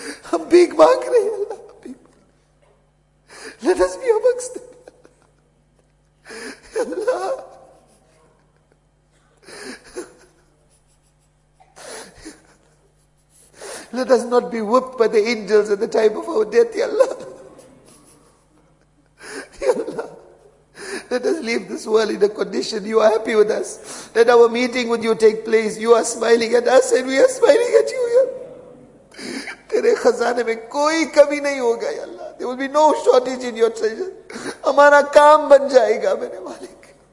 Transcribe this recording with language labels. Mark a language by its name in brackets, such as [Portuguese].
[Urdu] ہم بھیک مانگ رہے ہیں اللہ, [English] let us be amongst them. Allah, let us not be whipped by the angels at the time of our death, Allah. Let us leave this world in a condition you are happy with us. Let our meeting with you take place. You are smiling at us and we are smiling at you. [Urdu] تیرے خزانے میں کوئی کمی نہیں ہوگا یا اللہ. [English] There will be no shortage in your treasure. [Urdu] ہمارا کام بن جائے گا میرے مالک.